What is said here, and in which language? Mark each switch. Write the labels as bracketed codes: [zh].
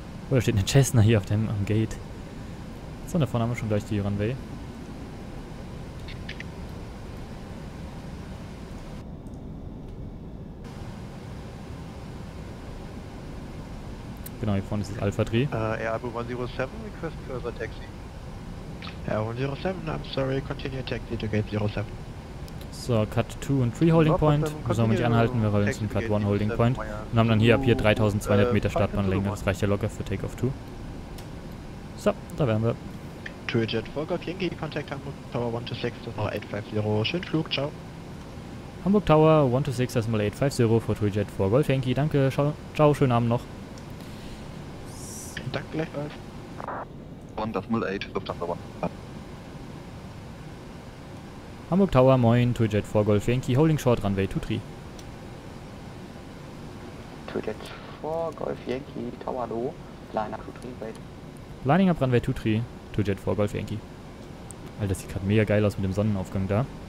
[de] Oh, da steht eine Cessna hier auf dem am Gate. So, da vorne haben wir schon gleich die Runway. Genau, hier vorne ist das Alpha 3. [en] Airbo 107, request further taxi. Airbo 107, I'm sorry, continue taxi to gate 07. [de] So, Cut 2 und 3 Holding Point. Wir sollen nicht anhalten, wir wollen zum Cut 1 Holding Point. Und haben dann hier ab hier 3200 Meter Startbahnlänge. Das reicht ja locker für Takeoff 2. So, da wären wir. [en] TwoJet, Volker, Yankee, Contact Hamburg Tower 126.850. [de] Schönen Flug, ciao. Hamburg Tower 126.850 für TwoJet, Volker, Yankee. Danke, ciao, schönen Abend noch. Danke, gleichfalls. 128.850. [en] Hamburg Tower, moin, TwoJet for Golf Yankee, holding short, runway 23. TwoJet for Golf Yankee, Tower low, line up 23, wait. Lining up runway 23, TwoJet for Golf Yankee. [de] Alter, das sieht gerade mega geil aus mit dem Sonnenaufgang da.